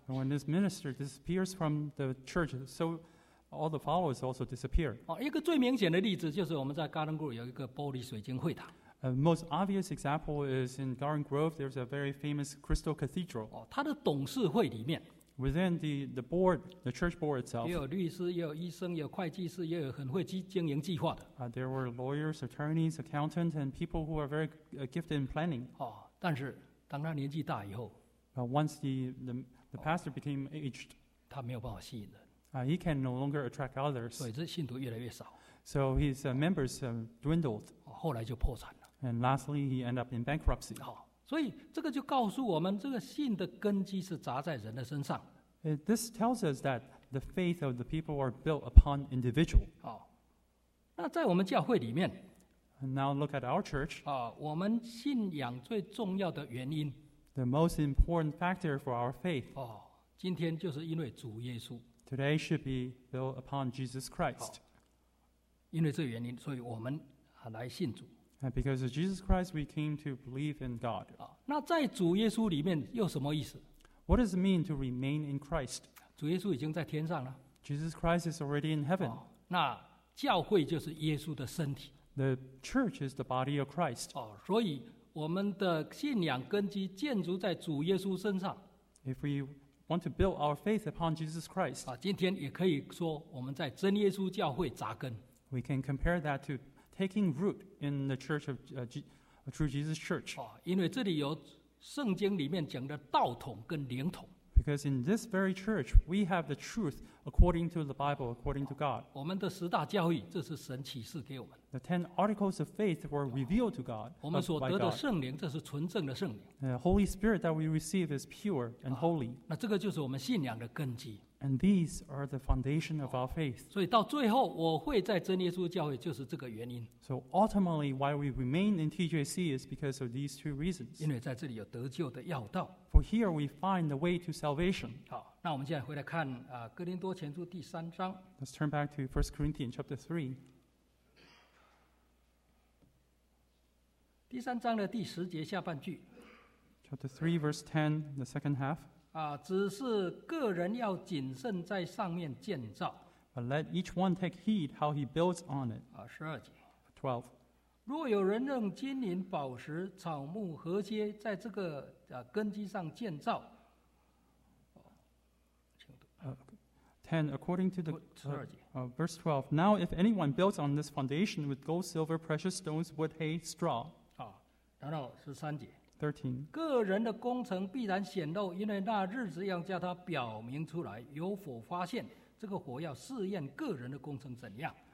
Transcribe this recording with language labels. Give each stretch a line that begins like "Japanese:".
English: And when this minister disappears from the church, so all the followers also disappear.
Chinese: 一个最明显的例子就是我们在 Garden Grove 有一个玻璃水晶会堂。
English: A most obvious example is in Garden Grove, there's a very famous crystal cathedral.
Chinese: 它的董事会里面。
English: Within the board, the church board itself,
Chinese: 也有律师，也有医生，也有会计师，也有很会经营计划的。
English: There were lawyers, attorneys, accountants, and people who are very gifted in planning.
Chinese: 但是当他年纪大以后，
English: Once the pastor became aged,
Chinese: 他没有办法吸引人。
English: He can no longer attract others.
Chinese: 所以这信徒越来越少。
English: So his members dwindled.
Chinese: 后来就破产了。
English: And lastly, he ended up in bankruptcy.
Chinese: 所以这个就告诉我们，这个信的根基是扎在人的身上。
English: This tells us that the faith of the people are built upon individual.
Chinese: 那在我们教会里面
English: ，Now look at our church.
Chinese: 我们信仰最重要的原因
English: ，The most important factor for our faith.
Chinese: 今天就是因为主耶稣。
English: Today should be built upon Jesus Christ.
Chinese: 因为这原因，所以我们来信主。
English: And because of Jesus Christ, we came to believe in God.
Chinese: 那在主耶稣里面又什么意思？
English: What does it mean to remain in Christ?
Chinese: 主耶稣已经在天上了。
English: Jesus Christ is already in heaven.
Chinese: 那教会就是耶稣的身体。
English: The church is the body of Christ.
Chinese: 所以我们的信仰根基建筑在主耶稣身上。
English: If we want to build our faith upon Jesus Christ,
Chinese: 今天也可以说我们在真耶稣教会扎根。
English: We can compare that to taking root in the church of true Jesus Church.
Chinese: 因为这里有圣经里面讲的道统跟灵统。
English: Because in this very church, we have the truth according to the Bible, according to God.
Chinese: 我们的十大教义，这是神启示给我们。
English: The ten articles of faith were revealed to God.
Chinese: 我们所得的圣灵，这是纯正的圣灵。
English: The Holy Spirit that we receive is pure and holy.
Chinese: 那这个就是我们信仰的根基。
English: And these are the foundation of our faith.
Chinese: 所以到最后，我会在真耶稣教会，就是这个原因。
English: So ultimately, why we remain in TJC is because of these two reasons.
Chinese: 因为在这里有得救的要道。
English: For here we find the way to salvation.
Chinese: 好，那我们现在回来看哥林多前书第三章。
English: Let's turn back to 1 Corinthians chapter 3.
Chinese: 第三章的第十节下半句。
English: Chapter 3, verse 10, the second half.
Chinese: 只是个人要谨慎在上面建造。
English: But let each one take heed how he builds on it.
Chinese: 十二节。
English: 12.
Chinese: 若有人用金银宝石、草木、禾秸在这个根基上建造。
English: 10. According to the
Chinese: 十二节。
English: Verse 12. Now if anyone builds on this foundation with gold, silver, precious stones, wood, hay, straw.
Chinese: 然后十三节。
English: 13.
Chinese: 个人的工程必然显露，因为那日子要叫他表明出来，有否发现，这个火要试验个人的工程怎样。